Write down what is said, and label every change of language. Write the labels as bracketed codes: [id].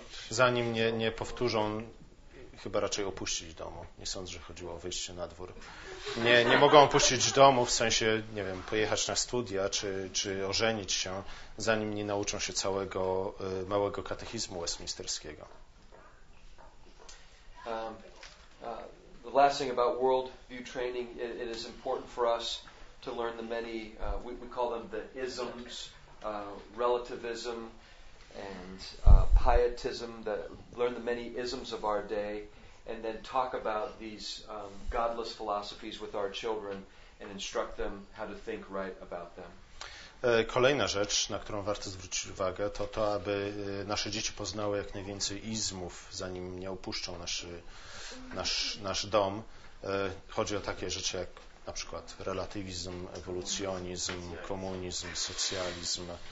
[pl] Zanim nie powtórzą, chyba raczej opuścić domu. Nie sądzę, że chodziło o wyjście na dwór. Nie mogą opuścić domu, w sensie, nie wiem, pojechać na studia czy ożenić się, zanim nie nauczą się całego małego katechizmu westminsterskiego. [en] The last thing about world view training, it is important for us to learn the many, we call them the isms, relativism, and pietism, learn the many isms of our day, and then talk about these godless philosophies with our children and instruct them how to think right about them. [pl] Kolejna rzecz, na którą warto zwrócić uwagę, to aby nasze dzieci poznały jak najwięcej izmów, zanim nie opuszczą nasz dom. Chodzi o takie rzeczy jak na przykład relatywizm, ewolucjonizm, komunizm, socjalizm.